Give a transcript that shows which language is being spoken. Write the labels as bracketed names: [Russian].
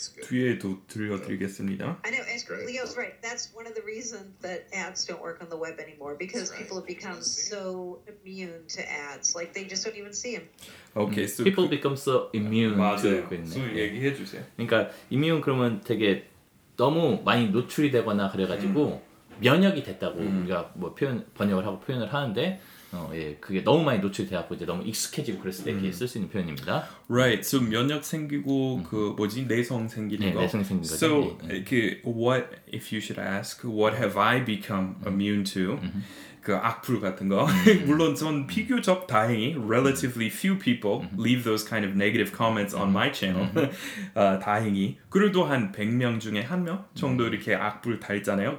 [Korean] 뒤에도 들려드리겠습니다. [English] I know, and Leo's right. That's one of the reasons that ads don't work on the web anymore because right. people have become so immune to ads. Like they just don't even see them. Okay, so people become so immune. [Korean] 맞아요. 소위 얘기해 주세요. 그러니까 immune 그러면 되게 너무 많이 노출이 되거나 그래가지고 면역이 됐다고 우리가 뭐 표현 번역을 하고 표현을 하는데. 예, 그게 너무 많이 노출돼갖고 이제 너무 익숙해지고 그랬을 때 이렇게 쓸 수 있는 표현입니다. [English] Right, so [Korean] 면역 생기고 그 뭐지 내성 생기는 거. 네, 내성 생기는 거. [English] So 그 what if you should ask what have I become immune to? [Korean] 그 악플 같은 거. 물론 전 비교적 다행히 [English] relatively few people leave those kind of negative comments on my channel. [Korean] 다행히. 그래도 한 100명 중에 한 명 정도 이렇게 악플 달잖아요.